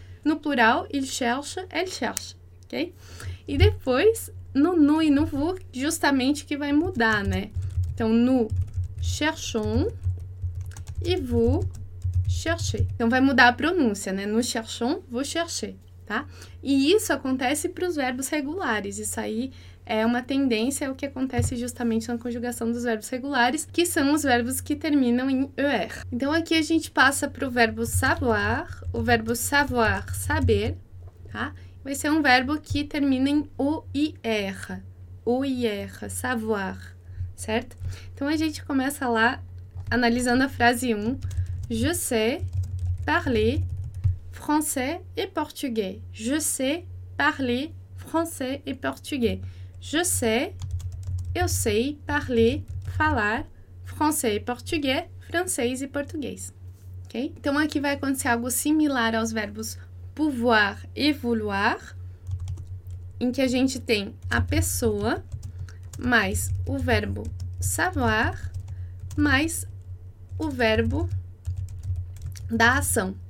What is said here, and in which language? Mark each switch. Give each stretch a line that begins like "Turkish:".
Portuguese: No plural,
French: il cherche, elle cherche. Ok?
Portuguese: E depois, no
French: nu e no vu,
Portuguese: justamente que vai mudar, né?
French: Então, nous cherchons e vous cherchez.
Portuguese: Então, vai mudar a pronúncia, né?
French: Nous cherchons, vous cherchez,
Portuguese: tá? E isso acontece para os verbos regulares. Isso aí é uma tendência, é o que acontece justamente na conjugação dos verbos regulares, que são os verbos que terminam em er. Então, aqui a gente passa para o verbo savoir, saber, tá? Vai ser um verbo que termina em oir. Oir, savoir, certo? Então, a gente começa lá analisando a frase 1.
French: Je sais parler français et portugais. Je sais parler français et portugais. Je sais,
Portuguese: eu sei,
French: parler,
Portuguese: falar,
French: français et portugais,
Portuguese: francês e português. Ok? Então, aqui vai acontecer algo similar aos verbos pouvoir e vouloir, em que a gente tem a pessoa mais o verbo savoir mais o verbo da ação.